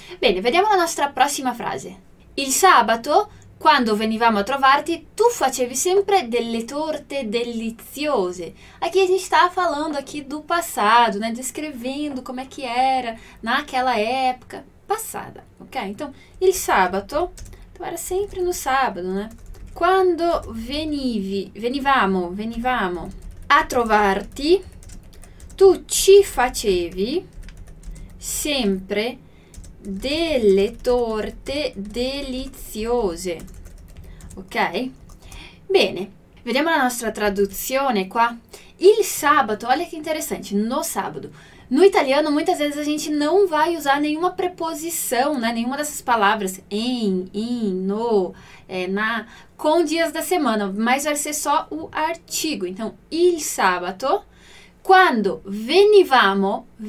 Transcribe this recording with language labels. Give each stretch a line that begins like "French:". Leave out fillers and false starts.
Italian: Bene, vediamo la nostra prossima frase. Il sabato, quando venivamo a trovarti, tu facevi sempre delle torte deliziose.
Portuguese: Aqui a gente está falando aqui do passado, né? Descrevendo como é que era naquela época passada, ok? Então,
Italian: il sabato,
Portuguese: tu era sempre no sábado, né?
Italian: Quando venivamo a trovarti, tu ci facevi sempre delle torte deliziose. Ok? Bene, vediamo la nostra traduzione qua. Il sabato,
Portuguese: olha che interessante, no sábado. No italiano, muitas vezes a gente não vai usar nenhuma preposição, né? Nenhuma dessas palavras, em, no, na, com dias da semana, mas vai ser só o artigo.
Italian: Então, il sabato, quando venivamo.